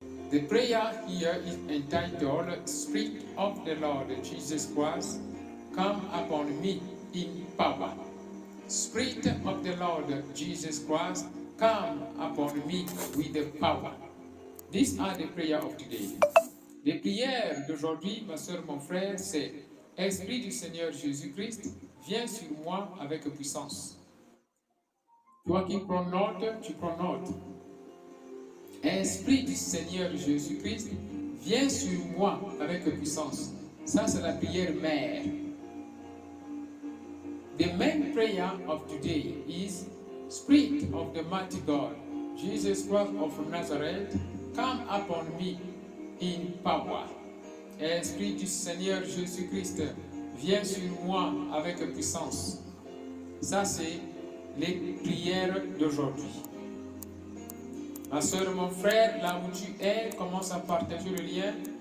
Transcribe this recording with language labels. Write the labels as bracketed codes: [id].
[en] The prayer here is entitled, Spirit of the Lord Jesus Christ, come upon me in power. Spirit of the Lord Jesus Christ, come upon me with the power. These are the prayers of today. [fr] Les prières d'aujourd'hui, ma soeur, mon frère, c'est Esprit du Seigneur Jésus Christ, viens sur moi avec puissance. Toi qui prends note, tu prends note. Esprit du Seigneur Jésus Christ, viens sur moi avec puissance. Ça, c'est la prière mère. [en] The main prayer of today is Spirit of the mighty God, Jesus Christ of Nazareth, come upon me in power. [fr] Esprit du Seigneur Jésus Christ, viens sur moi avec puissance. Ça, c'est les prières d'aujourd'hui. Ma soeur, mon frère, là où tu es, commence à partager le lien.